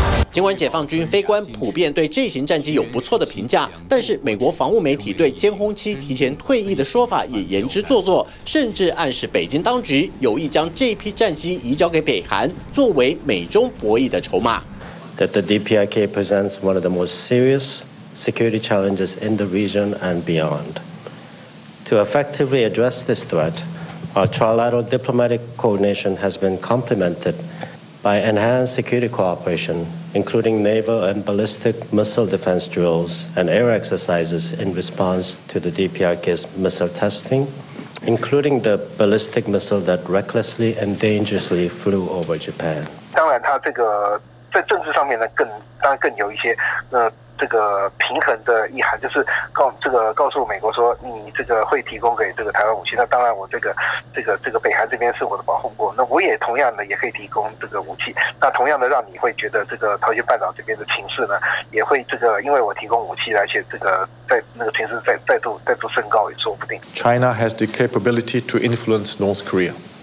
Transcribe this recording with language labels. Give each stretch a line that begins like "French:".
Chinese: 尽管解放军飞官普遍对这型战机有不错的评价，但是美国防务媒体对歼轰七提前退役的说法也言之凿凿，甚至暗示北京当局有意将这批战机移交给北韩，作为美中博弈的筹码。
English: That the DPRK presents one of the most serious security challenges in the region and beyond. To effectively address this threat, our trilateral diplomatic coordination has been complemented by enhanced security cooperation. including naval and ballistic missile defense drills and air exercises in response to the DPRK's missile testing, including the ballistic missile that recklessly and dangerously flew over Japan.
Chinese: 当然它这个在政治上面呢更有一些这个平衡的意涵，就是告诉美国说你这个会提供给这个台湾武器，那当然我这个北韩这边是我的保护国，那我也同样的也可以提供这个武器，那同样的让你会觉得这个朝鲜半岛这边的情势呢也会这个因为我提供武器，而且这个在那个情势再度升高也说不定。
English: China has the capability to influence North Korea.